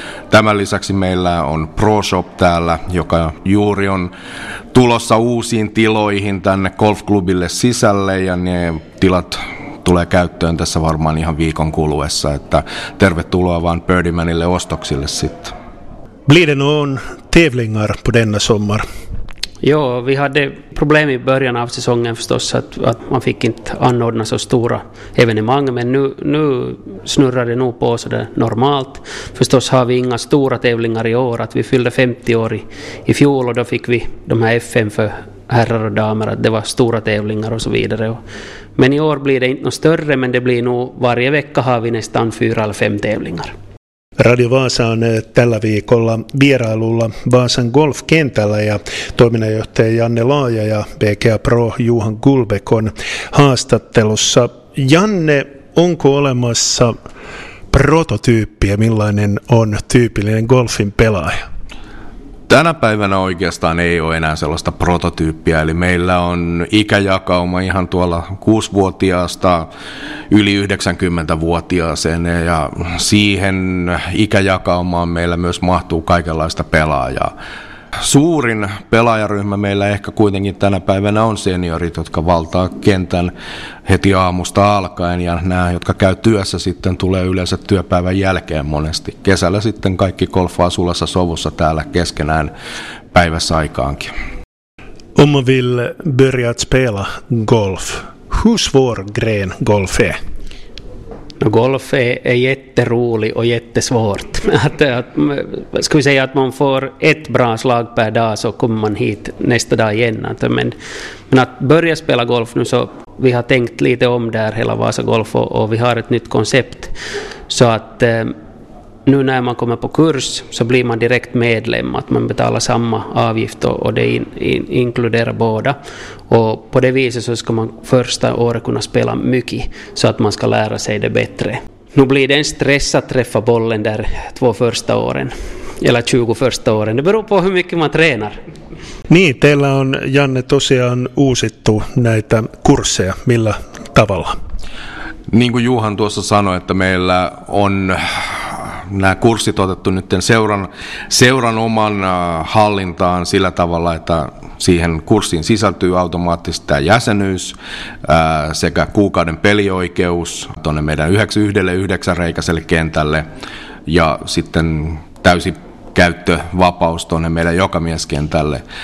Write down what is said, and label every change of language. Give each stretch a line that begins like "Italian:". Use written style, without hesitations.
Finnish: Tämän lisäksi meillä on Pro Shop täällä, joka juuri on tulossa uusiin tiloihin tänne golfklubille sisälle, ja ne tilat tulee käyttöön tässä varmaan ihan viikon kuluessa, että tervetuloa vaan Birdimanille ostoksille sitten.
Swedish: Blir det någon tävlingar på denna sommar? Jo, vi hade problem i början av säsongen förstås att man fick inte anordna så stora evenemang, men nu snurrar det nog på så det normalt. Förstås har vi inga stora tävlingar i år, att vi fyllde 50 år i fjol och då fick vi de här FM för herrar och damer, att det var stora tävlingar och så vidare. Men i år blir det inte något större, men det blir nog varje vecka har vi nästan 4 eller 5 tävlingar.
Finnish: Radio Vaasa on tällä viikolla vierailulla Vaasan golfkentällä ja toiminnanjohtaja Janne Laaja ja PGA Pro Johan Gullbäck on haastattelussa. Janne, onko olemassa prototyyppiä, millainen on tyypillinen golfin pelaaja? Tänä päivänä oikeastaan ei ole enää sellaista prototyyppiä, eli meillä on ikäjakauma ihan tuolla 6-vuotiaasta yli 90-vuotiaaseen, ja siihen ikäjakaumaan meillä myös mahtuu kaikenlaista pelaajaa. Suurin pelaajaryhmä meillä ehkä kuitenkin tänä päivänä on seniorit, jotka valtaa kentän heti aamusta alkaen, ja nämä, jotka käy työssä, sitten tulee yleensä työpäivän jälkeen monesti. Kesällä sitten kaikki golfaa sulassa sovussa täällä keskenään päivässä aikaankin.
Swedish: Om man vill börja spela golf, hur svår gren golf är? No golf är jätterolig och jättesvårt. Ska vi säga att man får ett bra slag per dag så kommer man hit nästa dag igen. Men att börja spela golf nu, så vi har tänkt lite om där hela Vaasa Golf och vi har ett nytt koncept. Så att nu när man kommer på kurs så blir man direkt medlem. Att man betalar samma avgift och det inkluderar båda. Och på det viset så ska man första året kunna spela mycket så att man ska lära sig det bättre. Nu blir det en stress att träffa bollen där 2 första åren. Eller 20 första åren. Det beror på hur mycket man tränar.
Finnish: Niin, teillä on, Janne, tosiaan uusittu näitä kursseja. Millä tavalla? Niin kuin Juhan tuossa sanoi, että meillä on nämä kurssit otettu nyt seuran oman hallintaan sillä tavalla, että siihen kurssiin sisältyy automaattisesti tämä jäsenyys sekä kuukauden pelioikeus tuonne meidän 9-1-9 reikäiselle kentälle ja sitten täysi käyttövapaus tuonne meidän jokamieskentälle.